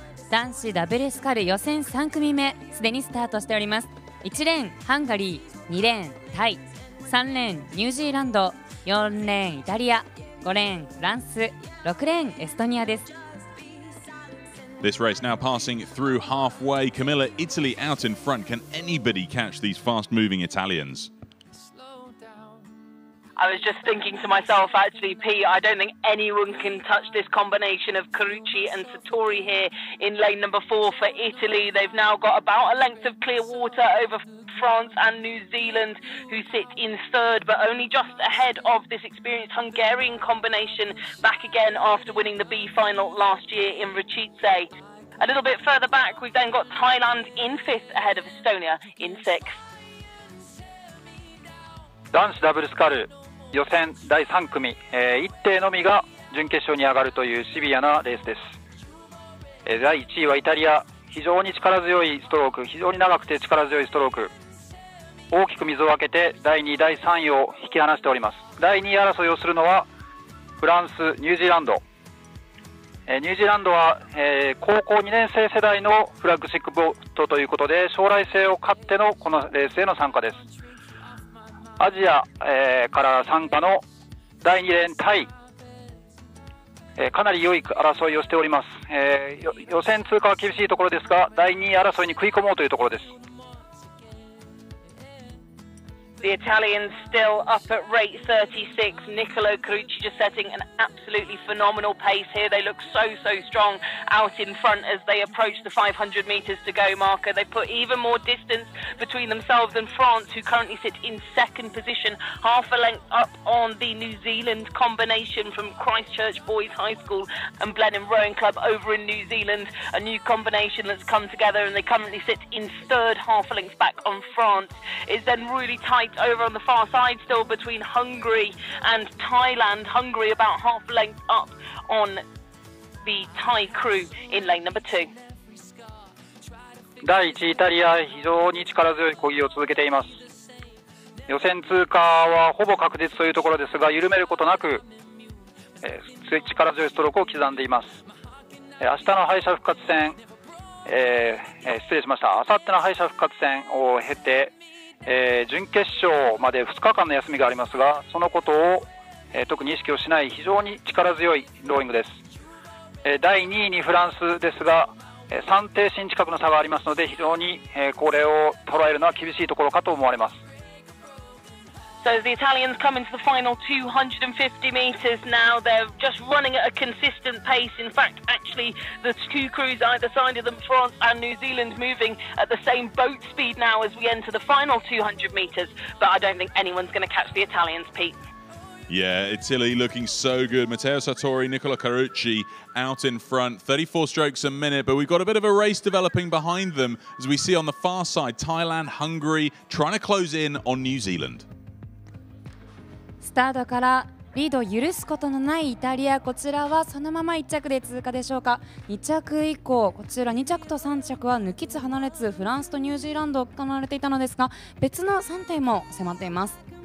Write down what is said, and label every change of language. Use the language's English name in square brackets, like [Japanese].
[Japanese] 男子ダブルスカル予選3組目すでにスタートしております。 1レーンハンガリー、2レーンタイ、3レーンニュージーランド、4レーンイタリア、5レーンフランス、6レーンエストニアです。 [English] This race now passing through halfway. Camilla, Italy out in front. Can anybody catch these fast moving Italians? I was just thinking to myself, actually, Pete, I don't think anyone can touch this combination of Carucci and Sartori here in lane number four for Italy. They've now got about a length of clear water over France and New Zealand, who sit in third, but only just ahead of this experienced Hungarian combination back again after winning the B final last year in Rečice. A little bit further back, we've then got Thailand in fifth ahead of Estonia in sixth. Dance double scuttle. [Japanese] 予選第3組、一艇のみが準決勝に上がるというシビアなレースです、第1位はイタリア。非常に力強いストローク、非常に長くて力強いストローク、大きく水を開けて第2位第3位を引き離しております。第2位争いをするのはフランス、ニュージーランド、ニュージーランドは、高校2年生世代のフラッグシップボートということで将来性を買ってのこのレースへの参加です。アジア、から参加の第2レーンタイ、かなり良い争いをしております、予選通過は厳しいところですが第2位争いに食い込もうというところです。 [English] The Italians still up at rate 36. Nicolo Carucci just setting an absolutely phenomenal pace here. They look so, so strong out in front as they approach the 500 metres to go marker. They put even more distance between themselves and France, who currently sit in second position, half a length up on the New Zealand combination from Christchurch Boys High School and Blenheim Rowing Club over in New Zealand. A new combination that's come together, and they currently sit in third, half a length back on France. It's then really tight over on the far side still between Hungary and Thailand. Hungary about half a length up on the Thai crew in lane number two. [Japanese] 第1位イタリア、非常に力強い漕ぎを続けています。予選通過はほぼ確実というところですが、緩めることなく、力強いストロークを刻んでいます。明日の敗者復活戦、失礼しました、明後日の敗者復活戦を経て、準決勝まで2日間の休みがありますが、そのことを、特に意識をしない、非常に力強いローイングです。第2位にフランスですが、3停身近くの差がありますので、非常に、これを捉えるのは厳しいところかと思われます。 [English] So as the Italians come into the final 250 metres now, they're just running at a consistent pace. In fact, actually, the two crews either side of them, France and New Zealand, moving at the same boat speed now as we enter the final 200 metres. But I don't think anyone's going to catch the Italians, Pete. Yeah, Italy looking so good. Matteo Sartori, Nicola Carucci out in front, 34 strokes a minute, but we've got a bit of a race developing behind them as we see on the far side, Thailand, Hungary, trying to close in on New Zealand. [Japanese] スタートからリードを許すことのないイタリア、こちらはそのまま1着で通過でしょうか。 2着以降、こちら2着と3着は抜きつ離れつ、フランスとニュージーランドを行われていたのですが、別の3点も迫っています。